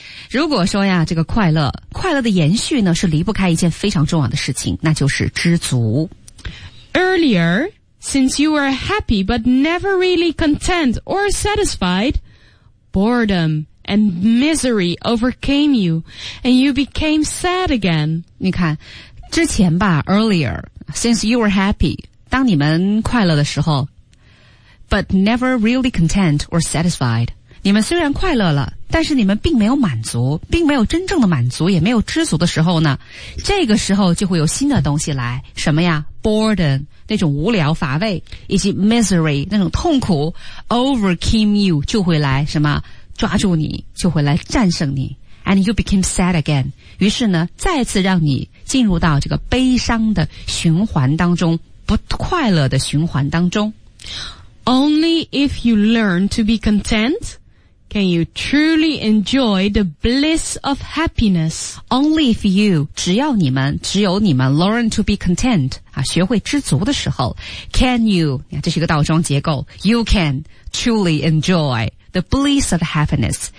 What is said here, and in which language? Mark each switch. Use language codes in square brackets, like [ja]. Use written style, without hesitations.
[zh] 如果说呀，这个快乐的延续呢，是离不开一件非常重要的事情，那就是知足。 [en] Earlier, since you were happy but never really content or satisfied, boredom and misery overcame you, and you became sad again. [zh] 你看，之前吧 [en] ，earlier, since you were happy, [zh] 当你们快乐的时候 [en] ，but never really content or satisfied. [zh] 你们虽然快乐了，但是你们并没有满足，并没有真正的满足，也没有知足的时候呢，这个时候就会有新的东西来，什么呀 ？boredom 那种无聊乏味，以及 misery 那种痛苦 [en] overcame you [zh] 就会来什么抓住你，就会来战胜你 ， [en] and you became sad again。 [zh] 于是呢，再次让你进入到这个悲伤的循环当中，不快乐的循环当中。 [en] Only if you learn to be content. Can you truly enjoy the bliss of happiness? Only if you, [zh] 只有你们 [en] learn to be content, [zh] 啊，学会知足的时候 [en] ,can you, [zh] 这是一个倒装结构 [en] ,you can truly enjoy the bliss of happiness.